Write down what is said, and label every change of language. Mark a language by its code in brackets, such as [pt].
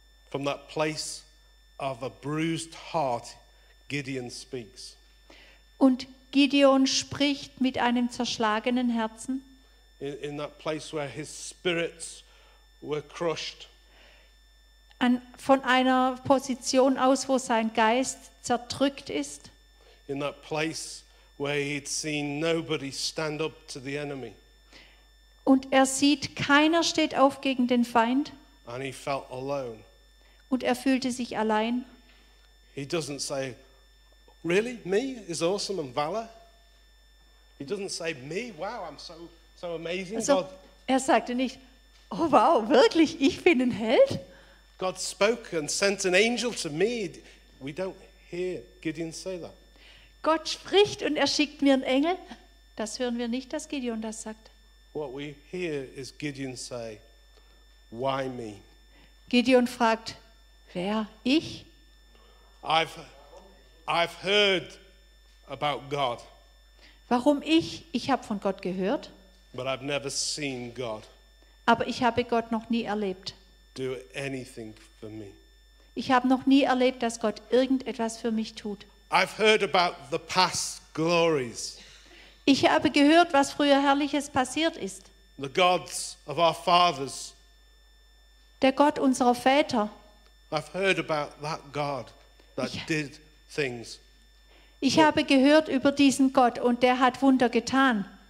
[en] from that place of a bruised heart, Gideon speaks. [de] Und Gideon spricht mit einem zerschlagenen Herzen. [en] In that place where his spirits were crushed. [de] Von einer Position aus, wo sein Geist zerdrückt ist. [en] In that place where he'd seen nobody stand up to the enemy. [de] Und er sieht, keiner steht auf gegen den Feind. [en] And he felt alone. [de] Und er fühlte sich allein. [en] He doesn't say, really, me is awesome and valor. He doesn't say, me, wow, I'm so amazing. Also, God. [de] Er sagte nicht, oh wow, wirklich, ich bin ein Held. [en] God spoke and sent an angel to me. We don't hear Gideon say that. [de] Gott spricht und er schickt mir einen Engel. Das hören wir nicht, dass Gideon das sagt. [en] What we hear is Gideon say, why me? [de] Gideon fragt, wer, ich? [en] I've heard about God. [de] Warum ich? Ich habe von Gott gehört. [en] But I've never seen God. [de] Aber ich habe Gott noch nie erlebt. [en] Do anything for me. [de] Ich habe noch nie erlebt, dass Gott irgendetwas für mich tut. [en] I've heard about the past glories. [de] Ich habe gehört, was früher Herrliches passiert ist. [en] The gods of our fathers. [de] Der Gott unserer Väter. [en] I've heard about that God that did things. [de] Ich habe gehört über diesen Gott und der hat Wunder getan.